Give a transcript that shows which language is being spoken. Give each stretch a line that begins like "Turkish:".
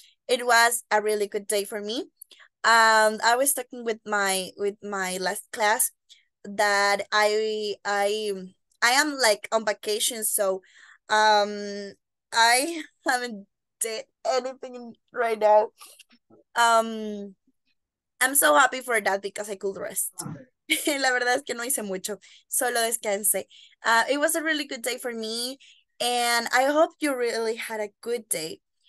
English: It was a really good day for me. I was talking with my last class that I am like on vacation, so I haven't did anything right now. I'm so happy for that because I could rest.
Spanish: La verdad es que no hice mucho, solo descansé.
English: It was a really good day for me, and I hope you really had a good day.